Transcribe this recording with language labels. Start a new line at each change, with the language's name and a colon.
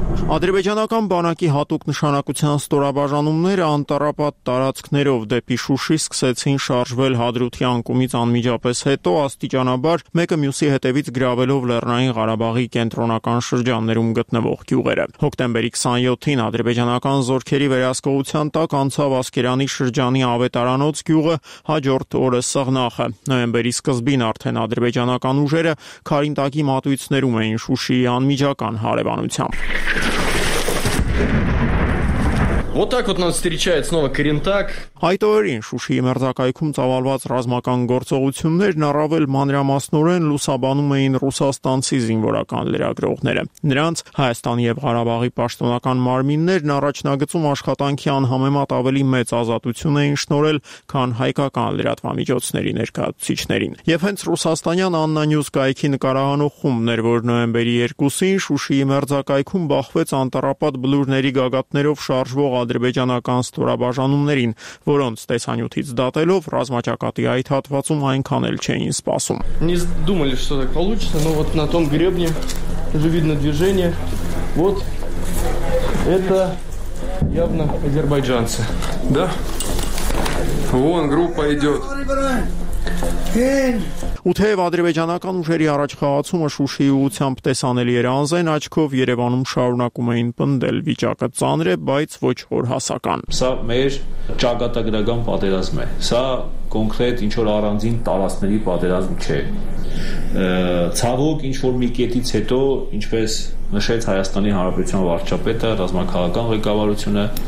Armenian: Ադրբեջանական բանակի հատուկ նշանակության ստորաբաժանումները անտառապատ տարածքներով դեպի Շուշի սկսեցին շարժվել Հադրութի անկումից անմիջապես հետո, աստիճանաբար մեկը մյուսի հետևից գրավելով Լեռնային Ղարաբաղի կենտրոնական շրջաններում գտնվող գյուղերը։ Հոկտեմբերի 27-ին ադրբեջանական զորքերի վերահսկողության տակ անցավ Ասկերանի շրջանի Ավետարանոց գյուղը հաջորդ օրը սղնախը։ Նոյեմբերի սկզբին արդեն ադրբեջանական ուժերը Քարինտակի մատույցներում էին Շուշիի անմիջական հարևանությամբ։
Russian: Вот так вот нас встречает снова Карентак.
Armenian: Այդ օրերին Շուշիի մերձակայքում ծավալված ռազմական գործողություններն առավել մանրամասնորեն լուսաբանում էին ռուսաստանցի զինվորական լրագրողները։ Նրանց Հայաստանի և Ղարաբաղի պաշտոնական մարմիններն առաջնագծում աշխատանքի անհամեմատ ավելի մեծ ազատություն էին շնորել, քան հայկական լրատվամիջոցների ներկայացուցիչներին։ Եվ հենց ռուսաստանյան Աննա Նյուզ կայքի նկարահանող խումբներ, որ նոյեմբերի 2-ին Շուշիի մերձակայքում բախվեց անտառապատ բլուրների գագաթներով շարժվող ադրբեջանական ստորաբաժանումներին, որոնց տեսանյութից դատելով ռազմաճակատի այդ հատվածում այնքան էլ չէին սպասում։
Russian: Ես думали, что так получится, но вот на том гребне уже видно движение. Вот это явно азербайджанцы. Да? Вон группа идёт.
Armenian: Ու թեև ադրբեջանական ուժերի առաջխաղացումը Շուշիի ուղությամբ տեսանելի էր անզեն, աչքով Երևանում շարունակում էին պնդել վիճակը ծանր է, բայց ոչ օրհասական։ Սա մեր ճակատագրական պատերազմ է, սա կոնկրետ ինչ-որ առանձին տարածքների պատերազմ չէ։ Ցավոք, ինչ որ մի կետից հետո, ինչպես նշեց Հայաստանի Հանրապետության վարչապետը, ռազմաքաղական ղեկավարությունը,